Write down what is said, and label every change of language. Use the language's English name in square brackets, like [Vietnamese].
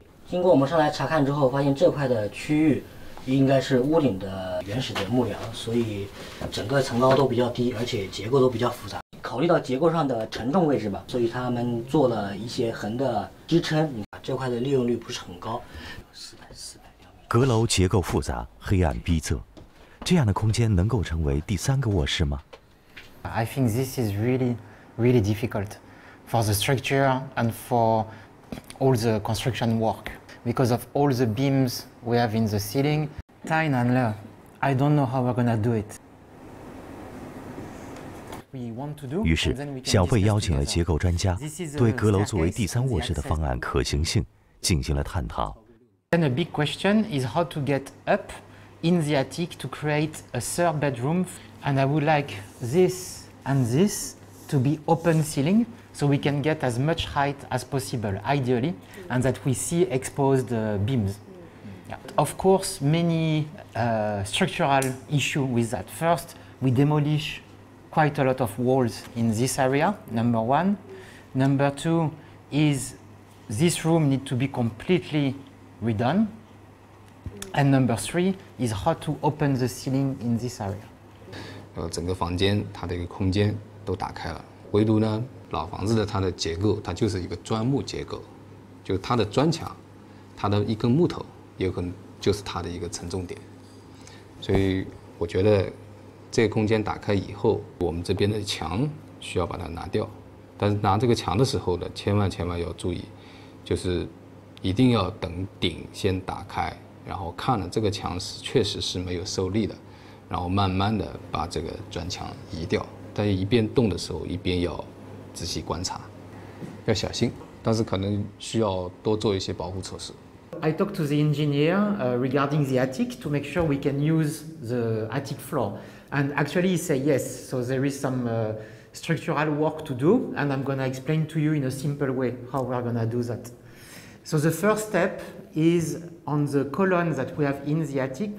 [Chinese] 经过我们上来查看之后，发现这块的区域应该是屋顶的原始的木梁，所以整个层高都比较低，而且结构都比较复杂。考虑到结构上的承重位置吧，所以他们做了一些横的支撑。你看这块的利用率不是很高。阁楼结构复杂，黑暗逼仄，这样的空间能够成为第三个卧室吗 [English] ？I think this is really, really difficult for the structure and for all the construction work because of all the beams we have in the ceiling. Tain and Le, I don't know how we're gonna do it. We want to do. [Chinese] 于是，小费邀请了结构专家，对阁楼作为第三卧室的方案可行性进行了探讨。 [English] Then a big question is how to get up in the attic to create a third bedroom, and I would like this and this to be open ceiling. So we can get as much height as possible, ideally, and that we see exposed beams. Yeah. Of course, many structural issues with that. First, we demolish quite a lot of walls in this area, number one. Number two is this room needs to be completely redone. And number three is how to open the ceiling in this area. [Chinese] 整个房间它的一个空间都打开了，唯独呢老房子的它的结构，它就是一个砖木结构，就是它的砖墙，它的一根木头也可能就是它的一个承重点，所以我觉得这个空间打开以后，我们这边的墙需要把它拿掉，但是拿这个墙的时候呢，千万千万要注意，就是一定要等顶先打开，然后看了这个墙是确实是没有受力的，然后慢慢的把这个砖墙移掉，但一边动的时候一边要仔细观察，要小心，但是可能需要多做一些保护措施。 [English] I talked to the engineer regarding the attic to make sure we can use the attic floor, and actually he said yes. So there is some structural work to do, and I'm going to explain to you in a simple way how we're going to do that. So the first step is on the column that we have in the attic.